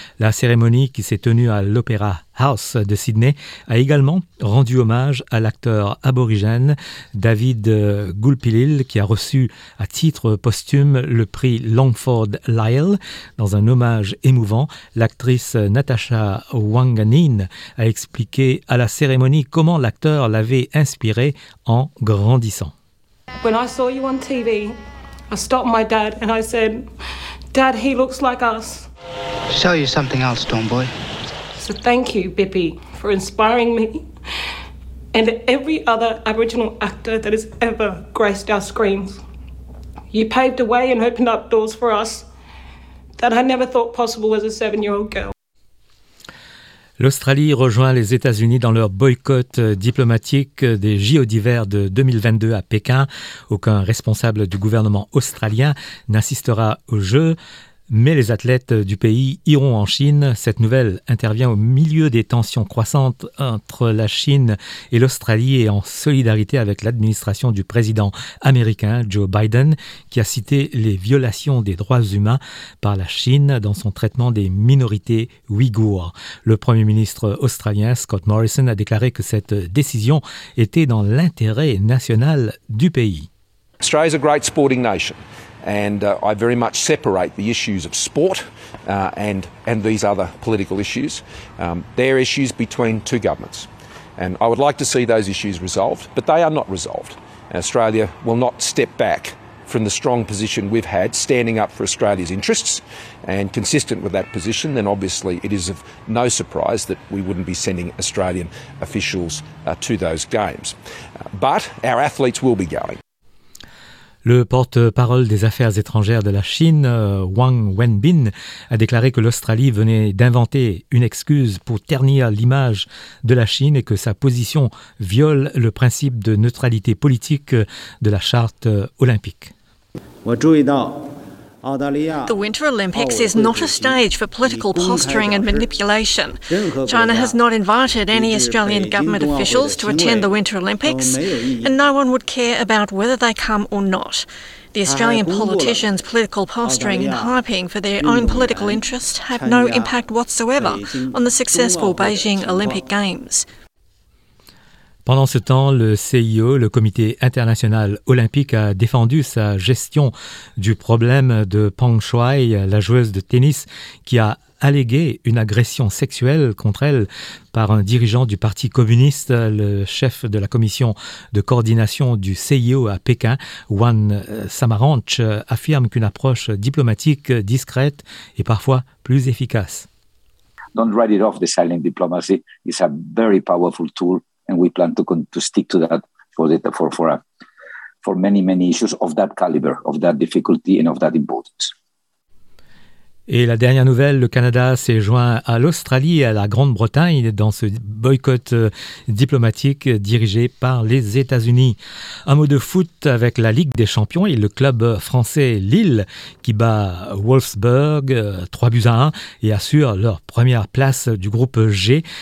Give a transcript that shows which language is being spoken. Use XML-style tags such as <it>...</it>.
<fr>La cérémonie qui s'est tenue à l'Opéra House de Sydney a également rendu hommage à l'acteur aborigène David Gulpilil qui a reçu à titre posthume le prix Longford Lyle. Dans un hommage émouvant, l'actrice Natasha Wanganeen a expliqué à la cérémonie comment l'acteur l'avait inspiré en grandissant.</fr> <en>When I saw you on TV, I stopped my dad and I said, Dad, he looks like us. Show you something else, Dawn Boy. So thank you, Bippy, for inspiring me and every other Aboriginal actor that has ever graced our screens. You paved the way and opened up doors for us that I never thought possible as a 7-year-old girl.</en> <fr>L'Australie rejoint les États-Unis dans leur boycott diplomatique des JO d'hiver de 2022 à Pékin. Aucun responsable du gouvernement australien n'assistera aux Jeux, mais les athlètes du pays iront en Chine. Cette nouvelle intervient au milieu des tensions croissantes entre la Chine et l'Australie et en solidarité avec l'administration du président américain Joe Biden, qui a cité les violations des droits humains par la Chine dans son traitement des minorités ouïghours. Le premier ministre australien Scott Morrison a déclaré que cette décision était dans l'intérêt national du pays.</fr> <en>Australia is a great sporting nation. And I very much separate the issues of sport and these other political issues. They're issues between two governments. And I would like to see those issues resolved, but they are not resolved. And Australia will not step back from the strong position we've had, standing up for Australia's interests. And consistent with that position, then obviously it is of no surprise that we wouldn't be sending Australian officials to those games. But our athletes will be going.</en> <fr>Le porte-parole des affaires étrangères de la Chine, Wang Wenbin, a déclaré que l'Australie venait d'inventer une excuse pour ternir l'image de la Chine et que sa position viole le principe de neutralité politique de la charte olympique.</fr> <en>The Winter Olympics is not a stage for political posturing and manipulation. China has not invited any Australian government officials to attend the Winter Olympics, and no one would care about whether they come or not. The Australian politicians' political posturing and hyping for their own political interests have no impact whatsoever on the successful Beijing Olympic Games.</en> <fr>Pendant ce temps, le CIO, le Comité international olympique, a défendu sa gestion du problème de Peng Shuai, la joueuse de tennis, qui a allégué une agression sexuelle contre elle par un dirigeant du Parti communiste. Le chef de la commission de coordination du CIO à Pékin, Wan Samaranch, affirme qu'une approche diplomatique discrète est parfois plus efficace.</fr> <en>Don't write it off, the silent diplomacy. It's a very powerful tool. And we plan to stick to that for many, many issues of that caliber, of that difficulty and of that importance.</en> <fr>Et la dernière nouvelle, le Canada s'est joint à l'Australie et à la Grande-Bretagne dans ce boycott diplomatique dirigé par les États-Unis. Un mot de foot avec la Ligue des Champions et le club français Lille qui bat Wolfsburg 3-1 et assure leur première place du groupe G.</fr>